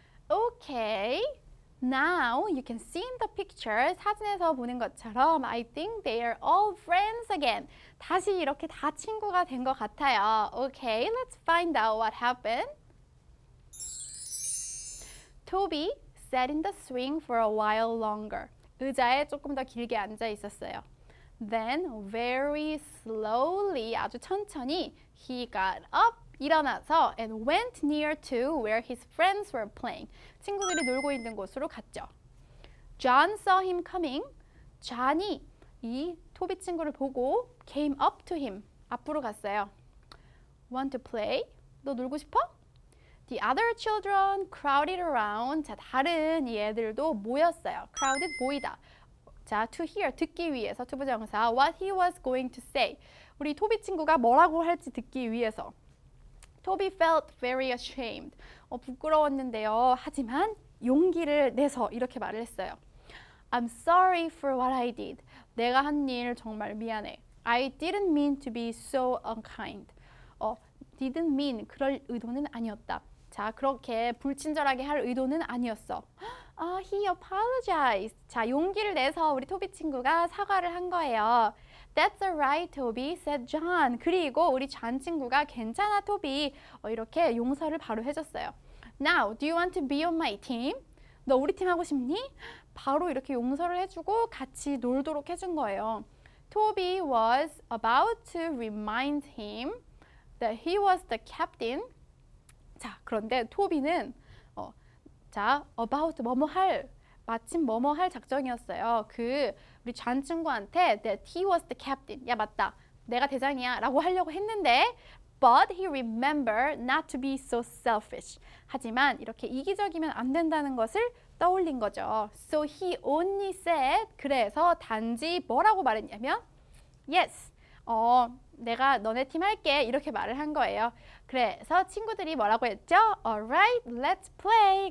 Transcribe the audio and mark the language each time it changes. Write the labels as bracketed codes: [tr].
[en] Okay. Now you can see in the picture, [ko] 사진에서 보는 것처럼 [en] I think they are all friends again. [ko] 다시 이렇게 다 친구가 된 것 같아요. [en] Okay, let's find out what happened. Toby sat in the swing for a while longer. [ko] 의자에 조금 더 길게 앉아 있었어요. [en] Then very slowly, [ko] 아주 천천히 [en] he got up. [ko] 일어나서 [en] and went near to where his friends were playing. [ko] 친구들이 놀고 있는 곳으로 갔죠. [en] John saw him coming. [ko] 존이 이 토비 친구를 보고 [en] came up to him. [ko] 앞으로 갔어요. [en] Want to play? [ko] 너 놀고 싶어? [en] The other children crowded around. [ko] 자, 다른 이 애들도 모였어요. [en] Crowded, 모이다. 자, to hear, [ko] 듣기 위해서 [en] 투부정사 what he was going to say. [ko] 우리 토비 친구가 뭐라고 할지 듣기 위해서. [en] Toby felt very ashamed. [ko] 부끄러웠는데요. 하지만 용기를 내서 이렇게 말을 했어요. [en] I'm sorry for what I did. [ko] 내가 한 일 정말 미안해. [en] I didn't mean to be so unkind. Didn't mean, [ko] 그럴 의도는 아니었다. 자, 그렇게 불친절하게 할 의도는 아니었어. [en] He apologized. [ko] 자, 용기를 내서 우리 토비 친구가 사과를 한 거예요. [en] That's alright, Toby, said John. [ko] 그리고 우리 존 친구가 괜찮아, 토비. 이렇게 용서를 바로 해줬어요. [en] Now, do you want to be on my team? [ko] 너 우리 팀 하고 싶니? 바로 이렇게 용서를 해주고 같이 놀도록 해준 거예요. [en] Toby was about to remind him that he was the captain. [ko] 자, 그런데 토비는 about 뭐뭐 할, 마침 뭐뭐 할 작정이었어요. 그 우리 존 친구한테 [en] that he was the captain. [ko] 야, 맞다. 내가 대장이야. 라고 하려고 했는데 [en] but he remembered not to be so selfish. [ko] 하지만 이렇게 이기적이면 안 된다는 것을 떠올린 거죠. [en] So he only said, [ko] 그래서 단지 뭐라고 말했냐면 [en] yes, [ko] 내가 너네 팀 할게. 이렇게 말을 한 거예요. 그래서 친구들이 뭐라고 했죠? [en] Alright, let's play.